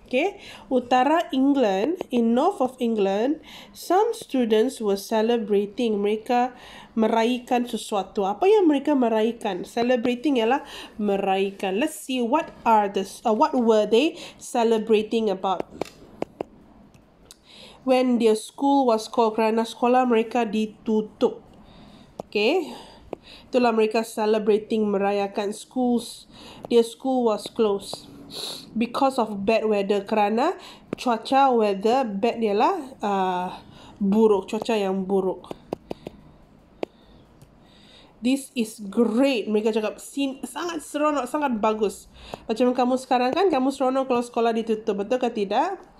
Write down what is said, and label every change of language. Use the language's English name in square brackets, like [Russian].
[English] Okay, utara England, in north of England, some students were celebrating. [Malay] Mereka meraikan sesuatu. Apa yang mereka meraikan? Celebrating ialah meraikan. [English] Let's see what are the what were they celebrating about. When their school was called, [Malay] kerana sekolah mereka ditutup. [English] Okay. [Malay] Itulah mereka [English] celebrating, merayakan. Schools, their school was closed because of bad weather. [Malay] Kerana cuaca, weather bad ialah buruk, cuaca yang buruk. [English] This is great, [Malay] mereka cakap. Sangat seronok, sangat bagus. Macam kamu sekarang kan, kamu seronok kalau sekolah ditutup, betul ke tidak?